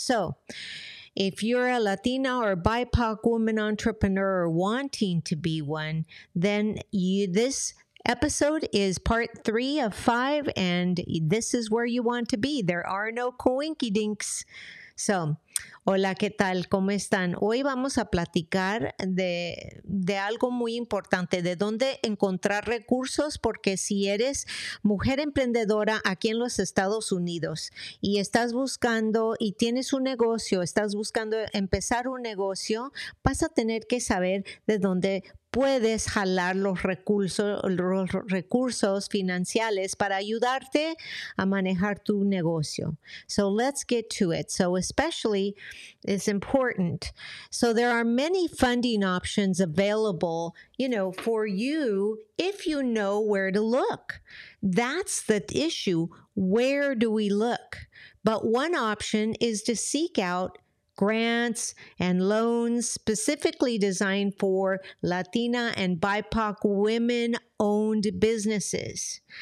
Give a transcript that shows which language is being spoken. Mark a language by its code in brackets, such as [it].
[en] So if you're a Latina or BIPOC woman entrepreneur or wanting to be one, then this episode is part 3 of 5, and this is where you want to be. There are no coinky dinks. So, [es] hola, ¿qué tal? ¿Cómo están? Hoy vamos a platicar de algo muy importante, de dónde encontrar recursos, porque si eres mujer emprendedora aquí en los Estados Unidos y estás buscando y tienes un negocio, estás buscando empezar un negocio, vas a tener que saber de dónde puedes jalar los recursos financieros para ayudarte a manejar tu negocio. [en] So let's get to it. So especially it's important. So there are many funding options available, you know, for you if you know where to look. That's the issue. Where do we look? But one option is to seek out grants and loans specifically designed for Latina and BIPOC women-owned businesses.